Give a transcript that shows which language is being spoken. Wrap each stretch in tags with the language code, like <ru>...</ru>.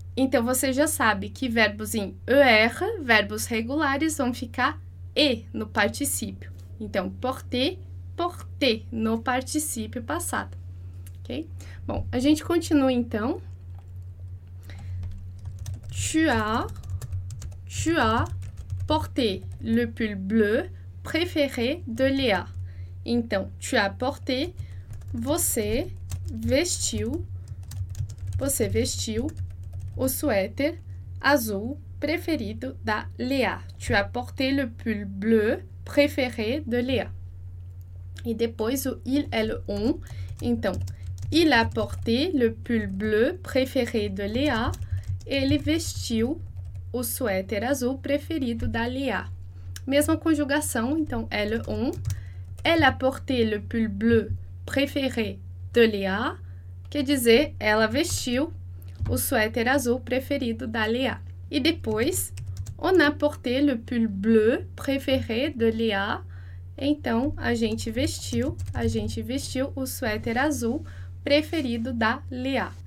<pt>Então você já sabe que verbos em er, verbos regulares, vão ficar e no particípio. Então, porter, porter no particípio passado. Ok? Bom, a gente continua então.</pt> <fr>Tu as porté le pull bleu préféré de Léa.</fr> <pt>Então,</pt> <fr>tu as porté,</fr> <pt>você vestiu o suéter azul preferido da Léa.</pt> <fr>Tu as porté le pull bleu préféré de Léa.</fr> <pt>E depois o</pt> <fr>il, elle, on.</fr> <pt>Então,</pt> <fr>il a porté le pull bleu préféré de Léa.</fr> <pt>Ele vestiu o suéter azul preferido da Léa. Mesma conjugação, então, elle, on.</pt> <fr>Elle a porté le pull bleu préféré de Léa.</fr> <pt>Quer dizer, ela vestiu o suéter azul preferido da Léa. E depois,</pt> <fr>on a porté le pull bleu préféré de Léa.</fr> <pt>Então, a gente vestiu o suéter azul preferido da Léa.</pt>